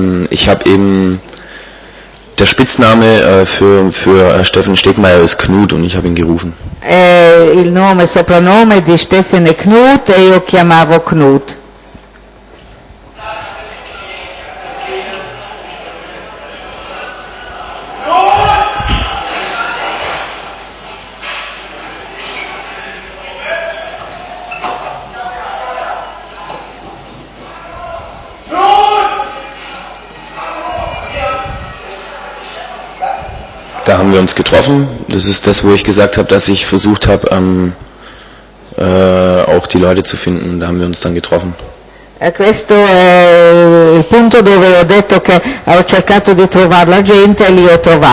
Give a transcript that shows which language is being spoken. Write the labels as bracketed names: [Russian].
[German] Ich habe eben, der Spitzname für Steffen Stegmeier ist Knut und ich habe ihn gerufen. [Italian] Il nome, soprannome di Steffen è Knut e io chiamavo Knut. Yeah. [German] da haben wir uns getroffen. Das ist das, wo ich gesagt habe, dass ich versucht habe, auch die Leute zu finden. Da haben wir uns dann getroffen. [Italian] Questo è il punto dove ho detto che ho cercato di trovare la gente e li ho trovati.